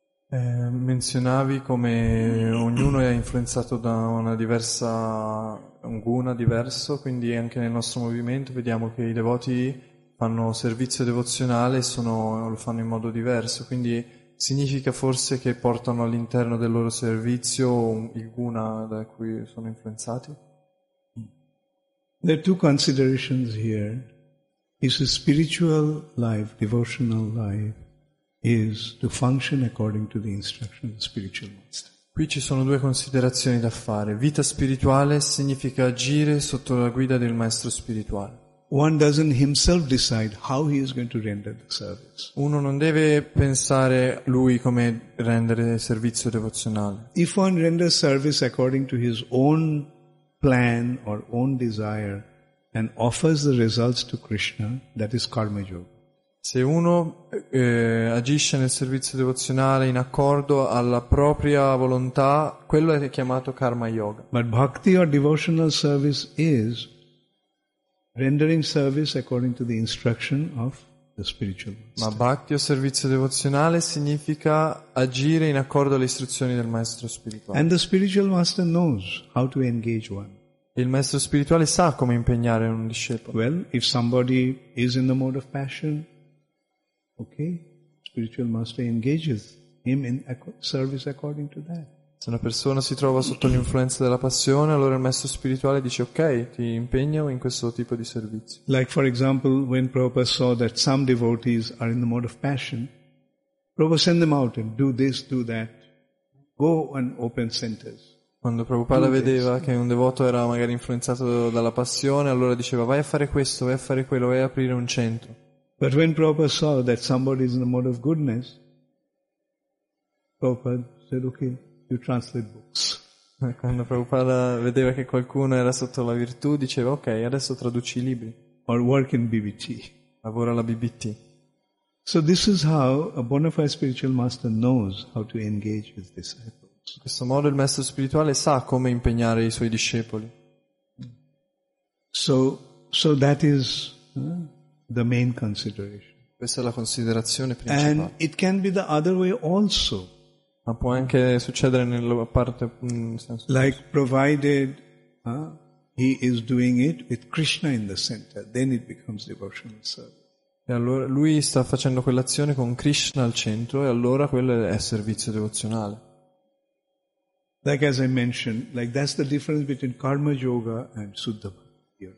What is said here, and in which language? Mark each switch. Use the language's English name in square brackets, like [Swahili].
[Italian] Menzionavi come ognuno è influenzato da una diversa, un guna diverso, quindi anche nel nostro movimento vediamo che i devoti fanno servizio devozionale e sono, lo fanno in modo diverso, quindi significa forse che portano all'interno del loro servizio il guna da cui sono influenzati? [English] There are two considerations here. Is a spiritual life, devotional life, is to function according to the instruction of the spiritual master. [Italian] Qui ci sono due considerazioni da fare. Vita spirituale significa agire sotto la guida del maestro spirituale. [English] One doesn't himself decide how he is going to render the service. [Italian] Uno non deve pensare lui come rendere servizio devozionale. [English] If one renders service according to his own plan or own desire and offers the results to Krishna, that is karma yoga. [Italian] Se uno agisce nel servizio devozionale in accordo alla propria volontà, quello è chiamato karma yoga. [English] But bhakti or devotional service is rendering service according to the instruction of the spiritual master. [Italian] Ma bhakti o servizio devozionale significa agire in accordo alle istruzioni del maestro spirituale. [English] And the spiritual master knows how to engage one. [Italian] Il maestro spirituale sa come impegnare un discepolo. [English] Well, if somebody is in the mode of passion, okay, spiritual master engages him in service according to that. [Italian] Se una persona si trova sotto l'influenza della passione, allora il maestro spirituale dice ok, ti impegno in questo tipo di servizio. [English] Like for example, when Prabhupada saw that some devotees are in the mode of passion, Prabhupada send them out and do this, do that. Go and open centers. [Italian] Quando Prabhupada vedeva che un devoto era magari influenzato dalla passione, allora diceva vai a fare questo, vai a fare quello, vai a aprire un centro. [English] But when Prabhupada saw that somebody is in the mode of goodness, Prabhupada said ok, you translate books. [Italian] Quando Prabhupada vedeva che qualcuno era sotto la virtù, diceva ok, adesso traduci i libri. [English] Or work in BBT. [Italian] Lavora alla BBT. [English] So this is how a bona fide spiritual master knows how to engage his disciples. [Italian] In questo modo il maestro spirituale sa come impegnare i suoi discepoli. [English] So that is the main consideration. [Italian] Questa è la considerazione principale. [English] And it can be the other way also. [Italian] Ma può anche succedere nella parte senso. [English] Like provided he is doing it with Krishna in the center, then it becomes devotional service. [Italian] E allora lui sta facendo quell'azione con Krishna al centro e allora quello è servizio devozionale. [English] Like as I mentioned, like that's the difference between karma yoga and shuddha bhakti.